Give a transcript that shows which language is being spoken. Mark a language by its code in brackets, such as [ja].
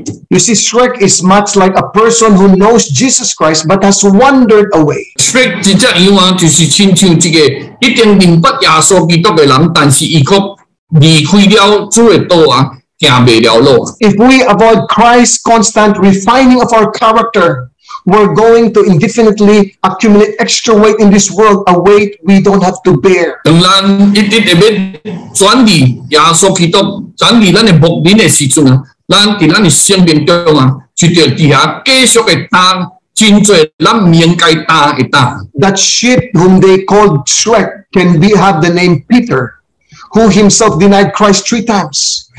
[en] You see, Shrek is much like a person who knows Jesus Christ but has wandered away. [nan] Shrek 真正以往就是亲像这个已经明白耶稣基督的人，但是伊却离开了主的道啊，行未了路。 [en] If we avoid Christ's constant refining of our character, we're going to indefinitely accumulate extra weight in this world, a weight we don't have to bear. That sheep whom they called Shrek can be have the name Peter, who himself denied Christ 3 times.